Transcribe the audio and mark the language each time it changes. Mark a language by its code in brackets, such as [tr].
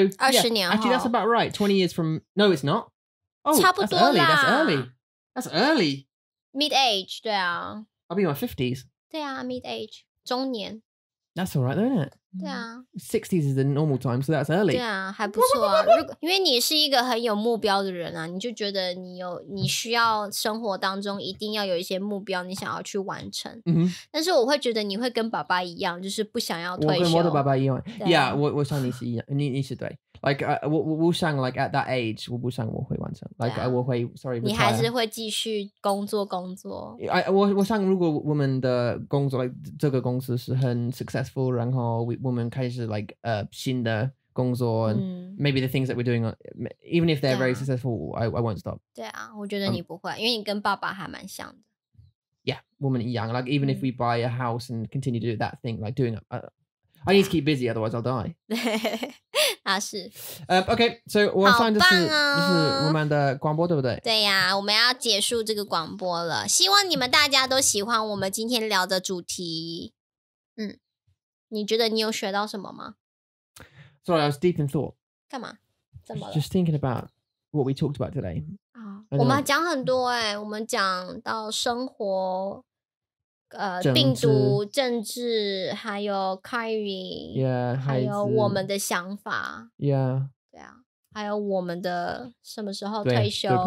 [en] 20 years. Actually, that's about right. 20 years from... No, it's not. Oh, [zh] 差不多啦 [en] That's early. Mid-age, [zh] 对啊。 [en] I'll be in my 50s. [zh] 对啊, [en] mid-age. [zh] 中年。 [en] That's all right, though, isn't it? [zh] 对啊。 [en] 60s is the normal time, so that's early. [zh] 对啊, 还不错啊。因为你是一个很有目标的人啊。你就觉得你需要生活当中一定要有一些目标你想要去完成。 Mm-hmm. 但是我会觉得你会跟爸爸一样就是不想要退休。我跟我的爸爸一样。 [en] Yeah, [zh] 我想你是一样。你是对。 [en] Like, [zh] 我想 [en] like at that age, [zh] 我不想我会完成。 [en] Like, [zh] 我会 [en] sorry, retire. [zh] 你还是会继续工作。我想如果我们的工作 [en] like, [zh] 这个公司是很 [en] successful, [zh] 然后我们开始 [en] like, 新的工作 and maybe the things that we're doing, even if they're very successful, I won't stop. [zh] 对啊，我觉得你不会，因为你跟爸爸还蛮像的。 [en] Yeah, [zh] 我们一样 [en] like, even if we buy a house and continue to do that thing, like doing, I need to keep busy, otherwise I'll die. [zh] 啊是， [en] Okay， [zh] 所以我上就是我们的广播，对不对？对呀、啊，我们要结束这个广播了。希望你们大家都喜欢我们今天聊的主题。你觉得你有学到什么吗 [en] ？Sorry, I was deep in thought. [zh] 干嘛？怎么了 [en] ？Just thinking about what we talked about today. [zh] 啊，我们讲很多哎、欸，我们讲到生活。病毒、政治，还有 Kyrie， [en] yeah, [zh] 还有我们的想法， [en] yeah. [zh] 对啊，还有我们的什么时候退休？